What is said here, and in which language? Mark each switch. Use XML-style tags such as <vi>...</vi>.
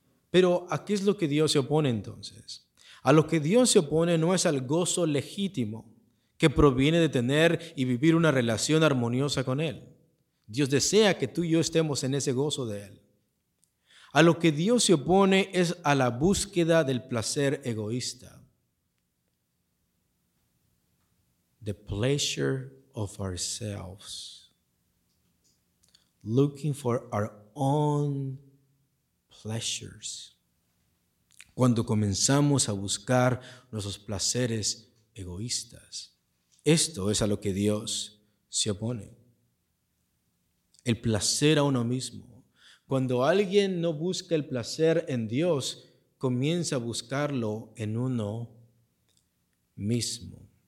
<es>Pero, ¿a qué es lo que Dios se opone entonces? A lo que Dios se opone no es al gozo legítimo que proviene de tener y vivir una relación armoniosa con Él. Dios desea que tú y yo estemos en ese gozo de Él. A lo que Dios se opone es a la búsqueda del placer egoísta.</es> <en>the pleasure of ourselves, looking for our own pleasures.</en> <es>Cuando comenzamos a buscar nuestros placeres egoístas, esto es a lo que Dios se opone. El placer a uno mismo. Cuando alguien no busca el placer en Dios, comienza a buscarlo en uno mismo.</es>